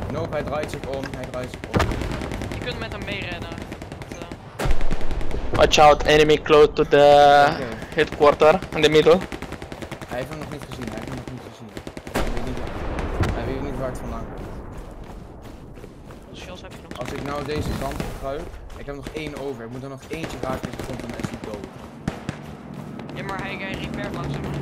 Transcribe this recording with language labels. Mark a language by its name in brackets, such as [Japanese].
[Dutch] Hij draait zich om, hij draait zich om. Je kunt met hem meerennen. [English] Watch out, enemy close to the headquarter in the middle. [Dutch] Hij heeft hem nog niet gezien, hij heeft hem nog niet gezien. Hij weet niet waar het vandaan komt. Wat shots heb je nog? als ik nou deze kant gebruik, ik heb nog één over. Ik moet er nog eentje raken in de grond en dan is hij dood. Ja, maar hij kan repair langzaam.